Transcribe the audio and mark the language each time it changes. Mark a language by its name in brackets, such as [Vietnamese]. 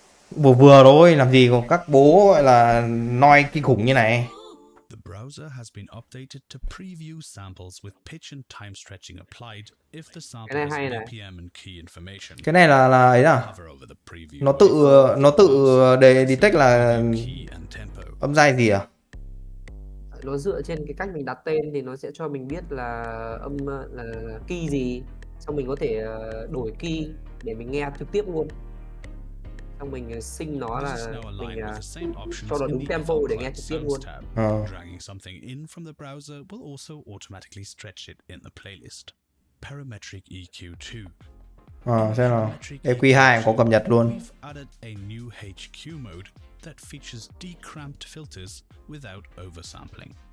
[Vietnamese] Vừa vừa thôi, làm gì có các bố gọi là noise kinh khủng như này. [English] The browser has been updated to preview samples with pitch and time stretching applied if the sample has BPM and key [Vietnamese] information. Cái này là ấy à? Nó tự để detect là âm giai gì à? Nó dựa trên cái cách mình đặt tên thì nó sẽ cho mình biết là âm là key gì, xong mình có thể đổi key để mình nghe trực tiếp luôn. Xong mình sync nó là mình cho nó đúng tempo để nghe trực tiếp luôn. [English] Dragging something in from the browser will also automatically stretch it in the playlist. Parametric EQ 2. [Vietnamese] Xem nào. EQ2 có cập nhật luôn. [English] Added a new HQ mode that features decramped filters without oversampling.